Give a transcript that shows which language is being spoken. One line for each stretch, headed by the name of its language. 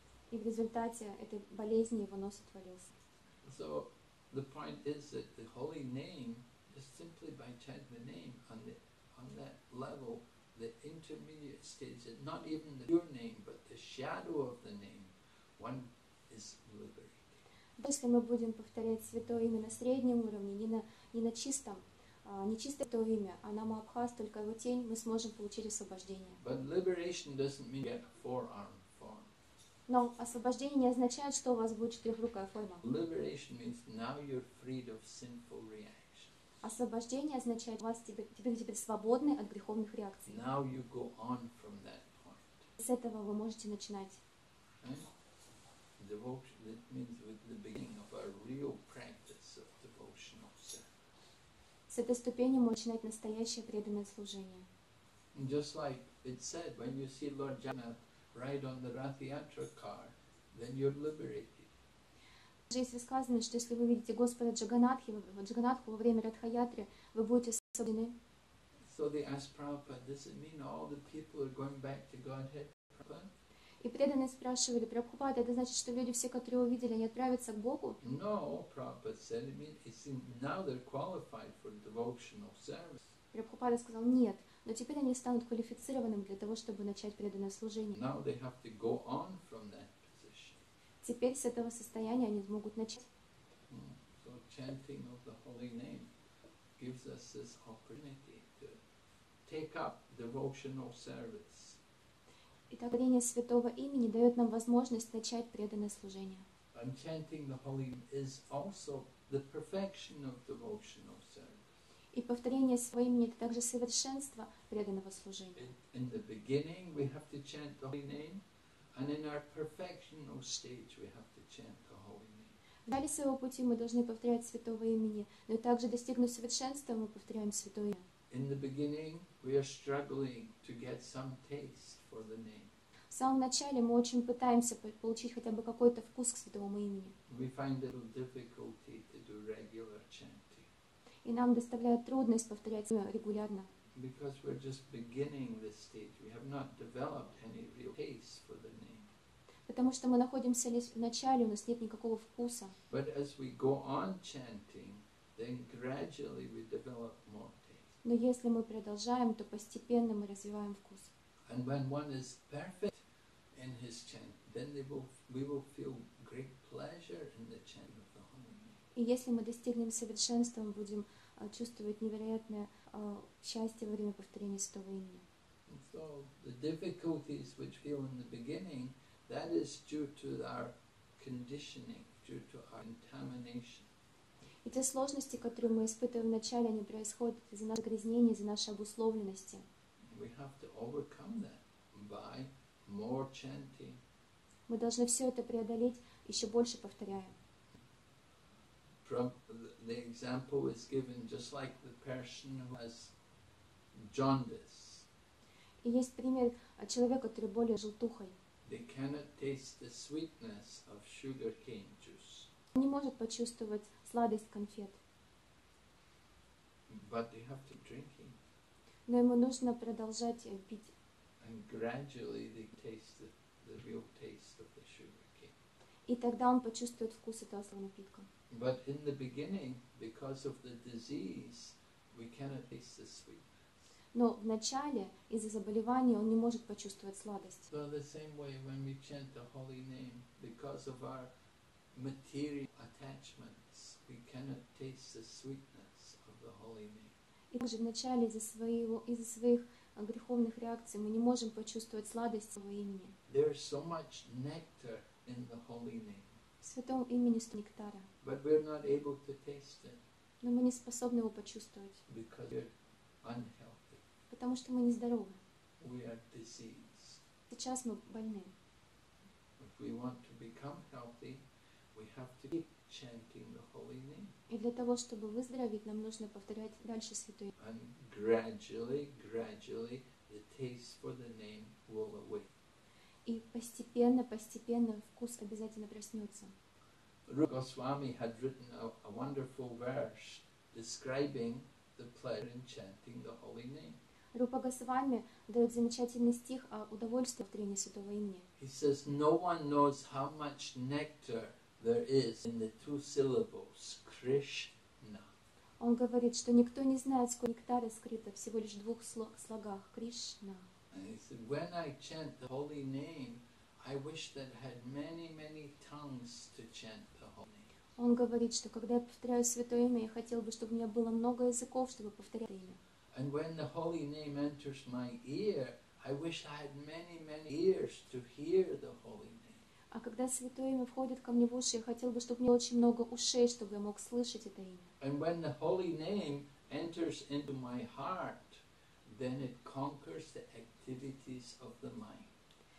Russian: И в результате этой болезни его нос отвалился.
English: So the point is that the holy name is simply by chanting the name on that level, the intermediate stage, not even the pure name, but the shadow of the name, one is liberated.
Russian: Если мы будем повторять святое имя на среднем уровне, не на чистом. Не чисто то имя, а на Мабхас, только его тень, мы сможем получить освобождение.
English: But liberation doesn't mean get a four-arm form.
Russian: Но освобождение не означает, что у вас будет четырехрукая форма.
English: Liberation means now you're freed of sinful reactions.
Russian: Освобождение означает, что вы теперь свободны от греховных реакций.
English: Now you go on from that point.
Russian: С этого вы можете начинать.
English: Devotion, that means with the beginning of a real practice of devotional service.
Russian: С этой ступени мы начинаем настоящее преданное служение.
English: Just like it said, when you see Lord Jagannath ride on the Rath Yatra car, then you're liberated.
Russian: Также если сказано, что если вы видите Господа Джаганатху во время Ратха-Ятры, вы будете освобождены.
English: So they asked Prabhupada, does it mean all the people are going back to Godhead, Prabhupada?
Russian: И преданные спрашивали, Прабхупада, это значит, что люди все, которые увидели, они отправятся к Богу?
English: No, Prabhupada said, I mean, it's now they're qualified for devotional service.
Russian: Прабхупада сказал, нет, но теперь они станут квалифицированными для того, чтобы начать преданное служение.
English: Now they have to go on from that position.
Russian: Теперь с этого состояния они смогут начать.
English: So chanting of the holy name gives us this opportunity to take up devotional service.
Russian: Итак, говорение святого имени дает нам возможность начать преданное служение.
English: And chanting the holy name is also the perfection of devotional service.
Russian: И повторение своего имени — это также совершенство преданного служения.
English: In the beginning we have to chant the holy name, and in our perfectional stage we have to chant the holy name.
Russian: В начале своего пути мы должны повторять святого имени, но также достигнув совершенства мы повторяем святое имя.
English: In the beginning we are struggling to get some taste. For the name.
Russian: В самом начале мы очень пытаемся получить хотя бы какой-то вкус к святому имени.
English: We find it difficulty to do regular chanting.
Russian: И нам доставляет трудность повторять имя регулярно.
English: Because we're just beginning this stage, we have not developed any real taste for the name.
Russian: Потому что мы находимся лишь в начале, у нас нет никакого вкуса.
English: But as we go on chanting, then gradually we develop more taste.
Russian: Но если мы продолжаем, то постепенно мы развиваем вкус.
English: And when one is perfect in his chant, then we will feel great pleasure in the chant of the holy name.
Russian: И если мы достигнем совершенства, мы будем чувствовать невероятное счастье во время повторения святого имени.
English: So the difficulties which we feel in the beginning, that is due to our conditioning, due to our contamination.
Russian: И те сложности, которые мы испытываем в начале, они происходят из-за нашего загрязнения, из-за нашей обусловленности.
English: We have to overcome that by more chanting.
Russian: Мы должны все это преодолеть, еще больше повторяя.
English: the example is given just like the person who has jaundice.
Russian: Есть пример человека, который болен желтухой.
English: They cannot taste the sweetness of sugarcane juice.
Russian: Они не могут почувствовать сладость конфет.
English: But they have to drink it.
Russian: Но ему нужно продолжать пить.
English: And gradually they taste the real taste of the sugarcane.
Russian: И тогда он почувствует вкус этого сладкого напитка.
English: But in the beginning, because of the disease, we cannot taste the sweetness.
Russian: Но в начале из-за заболевания он не может почувствовать сладость.
English: So the same way when we chant the holy name, because of our material attachments, we cannot taste the sweetness of the holy name.
Russian: И также в начале из-за своих греховных реакций мы не можем почувствовать сладость своего имени.
English: There is so much nectar in the holy name.
Russian: В святом имени столько нектара.
English: But we're not able to taste it.
Russian: Но мы не способны его почувствовать.
English: Because we're unhealthy.
Russian: Потому что мы нездоровы.
English: We are diseased.
Russian: Сейчас мы больны.
English: If we want to become healthy, we have to keep chanting the holy name.
Russian: И для того, чтобы выздороветь, нам нужно повторять дальше святое.
English: And gradually, the taste for the name will awake.
Russian: И постепенно, вкус обязательно проснется.
English: Rupa Goswami had written a wonderful verse describing the pleasure in chanting the holy name.
Russian: Рупа Госвами дает замечательный стих о удовольствии повторения святого имени.
English: He says, no one knows how much nectar there is in the two syllables Krishna.
Russian: Он говорит, что никто не знает, сколько нектара скрыто всего лишь в двух слогах Кришна.
English: And he said, when I chant the holy name, I wish that I had many tongues to chant the holy name.
Russian: Он говорит, что когда я повторяю святое имя, я хотел бы, чтобы у меня было много языков, чтобы повторять имя.
English: And when the holy name enters my ear, I wish I had many ears to hear the holy name.
Russian: А когда святое имя входит ко мне в уши, я хотел бы, чтобы у меня было очень много ушей, чтобы я мог слышать это имя.
English: And when the holy name enters into my heart, then it conquers the activities of the mind.